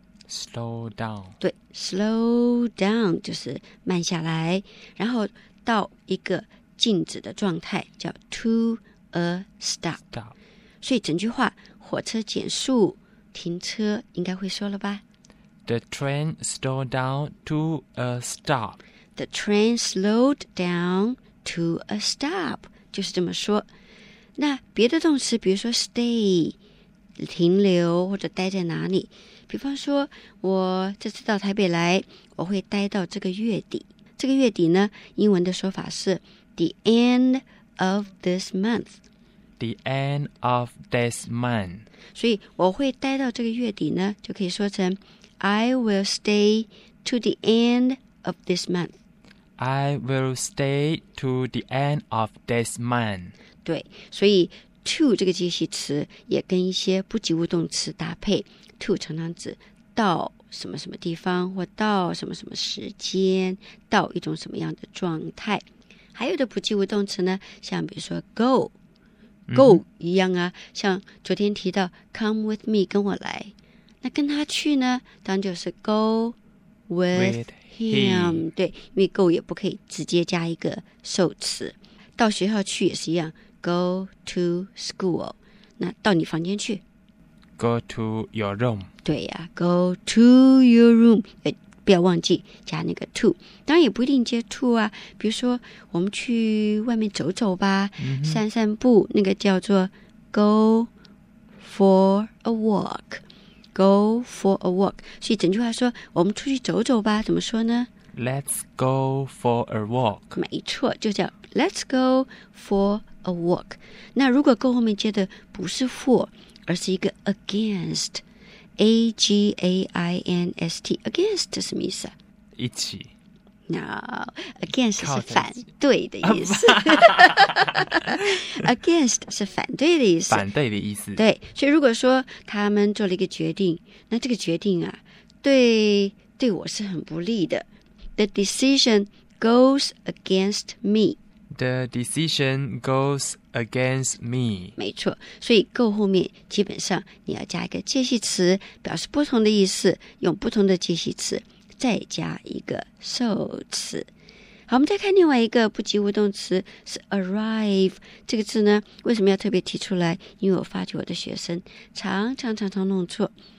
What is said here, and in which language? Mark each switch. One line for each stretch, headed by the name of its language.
English: slow down。
Chinese: 对， slow down 就是慢下来，然后到一个静止的状态叫 to a stop。所以整句话火车减速停车应该会说了吧？
English: The train slowed down to a stop. The train slowed down to a stop.
Chinese: 就是这么说。那别的动词比如说 stay 停留或者待在哪里，比方说我这次到台北来我会待到这个月底，这个月底呢英文的说法是
English: the end of this month。 The end of this month.
Chinese: 所以我会待到这个月底呢，就可以说成
English: I will stay to the end of this month. I will stay to the end of this month.
Chinese: 对，所以 to 这个介系词也跟一些不及物动词搭配。 to 常常指到什么什么地方或到什么什么时间，到一种什么样的状态。还有的不及物动词呢，像比如说 go。Go 一样啊，像昨天提到
English: come with me
Chinese: 跟我来，那跟他去呢当然就是 go
English: with him。
Chinese: 对，因为 go 也不可以直接加一个受词。到学校去也是一样， go to school。那到你房间去，
English: go to your room。
Chinese: 对啊，
English: go to your room，
Chinese: 不要忘记加那个 to。当然也不一定接 to 啊，比如说我们去外面走走吧，散散步，那个叫做
English: go for a walk。 go for a walk，
Chinese: 所以整句话说我们出去走走吧怎么说呢？
English: Let's go for a walk。
Chinese: 没错，就叫
English: Let's go for a walk。
Chinese: 那如果 go 后面接的不是 for 而是一个 againstAGAINST， against 是什么意思啊？一起。 No， against 是反对的意思。against 是反对的意思。反对的意思。对，所以如果说他们做了一个决定，那这个决定啊，对我是很不利的。
English: The decision goes against me. the decision goes against me.
Chinese: 没错，所以 go 后面基本上你要加一个介系词，表示不同的意思，用不同的介系词，再加一个受词。好，我们再看另外一个不及物动词是 arrive。这个字呢为什么要特别提出来，因为我发觉我的学生常常弄错。